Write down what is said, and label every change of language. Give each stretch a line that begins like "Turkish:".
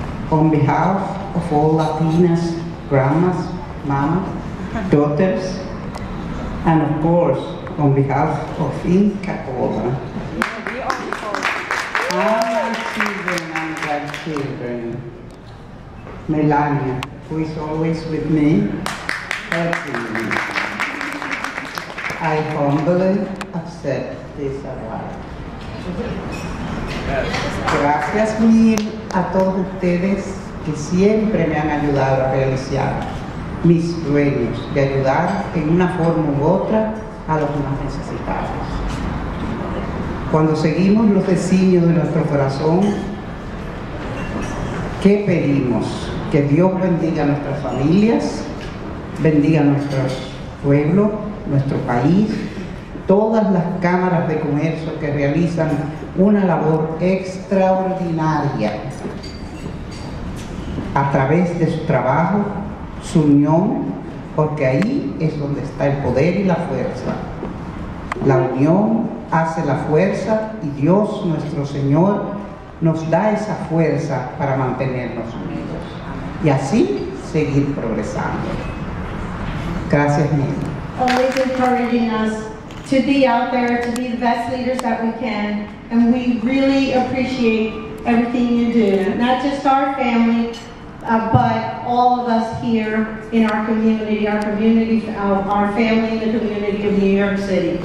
English: On behalf of all Latinas, grandmas, mamas, daughters, and of course, on behalf of Inca Cola, our children and grandchildren, Melania, who is always with me, helping me, I humbly accept this award.
Spanish: Gracias mil a todos ustedes que siempre me han ayudado a realizar mis sueños de ayudar en una forma u otra a los más necesitados. Cuando seguimos los designios de nuestro corazón, ¿qué pedimos? Que Dios bendiga a nuestras familias, bendiga a nuestro pueblo, nuestro país, todas las cámaras de comercio que realizan una labor extraordinaria a través de su trabajo, su unión, porque ahí es donde está el poder y la fuerza. La unión hace la fuerza y Dios nuestro Señor nos da esa fuerza para mantenernos unidos y así seguir progresando. Gracias mil.
English: Always encouraging us to be out there, to be the best leaders that we can, and we really appreciate everything you do, not just our family, but all of us here in our community, our family, the community of New York City.